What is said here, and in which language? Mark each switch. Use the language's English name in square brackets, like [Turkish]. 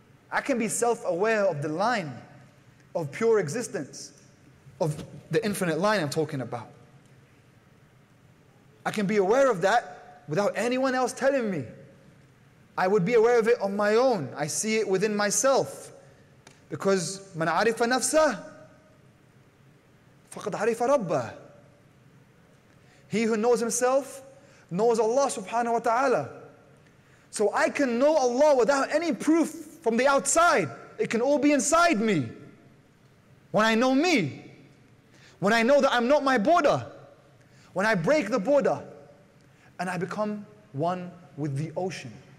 [English] I can be self-aware of the line of pure existence, of the infinite line I'm talking about. I can be aware of that without anyone else telling me. I would be aware of it on my own. I see it within myself. [Arabic] Because مَنْ عَرِفَ نَفْسَهُ فَقَدْ عَرِفَ رَبَّهُ. [English] He who knows himself knows Allah subhanahu wa ta'ala. So I can know Allah without any proof from the outside. It can all be inside me. When I know me, when I know that I'm not my border, when I break the border and I become one with the ocean.